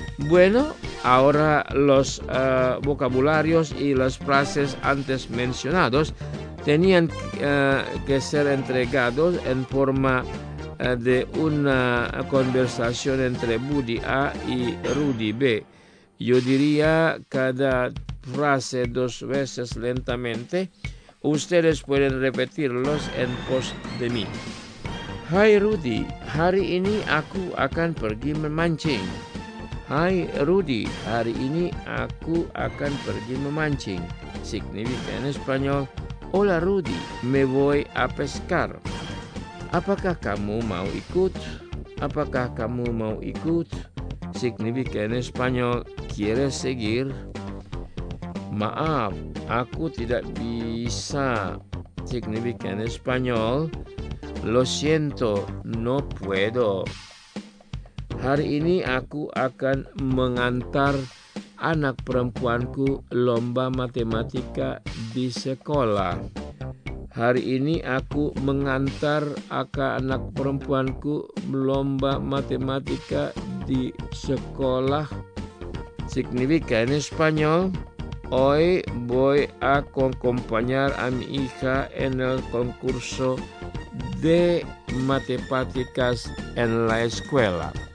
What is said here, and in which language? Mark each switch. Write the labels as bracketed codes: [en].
[es] Bueno, ahora los vocabularios y las frases antes mencionados tenían que ser entregados en forma de una conversación entre Budi A y Rudy B. Yo diría cada frase dos veces lentamente. Ustedes pueden repetirlos en pos de mí. [id] Hai Rudy, hari ini aku akan pergi memancing. Hai Rudy, hari ini aku akan pergi memancing. [es] Significa en español, hola Rudy, me voy a pescar. [id] Apakah kamu mau ikut? [es] Significa en español, ¿quieres seguir? [id] Maaf, aku tidak bisa. [es] Significa en español, lo siento, no puedo. [id] Hari ini aku akan mengantar anak perempuanku lomba matematika di sekolah. Hari ini aku mengantar anak perempuanku lomba matematika di sekolah. [es] Significa en español, hoy voy a acompañar a mi hija en el concurso de matemáticas en la escuela.